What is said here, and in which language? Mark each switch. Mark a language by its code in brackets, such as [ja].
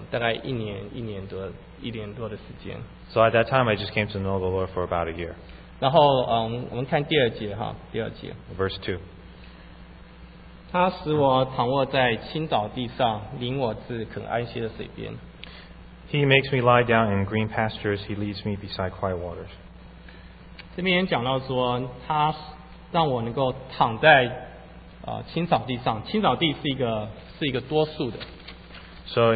[zh] 因为那时候我才信主才大概一年多的时间。 [en] So at that time, I just came to know the Lord for about a year. [zh] 然后我们看第二节哈，第二节。 [en] Verse 2. [zh] 他使我躺卧在青草地上，领我至可安歇的水边。 [en] He makes me lie down in green pastures. He leads me beside quiet waters. [zh] 这边讲到说，他让我能够躺在青草地上。青草地是一个多数的。 [en] So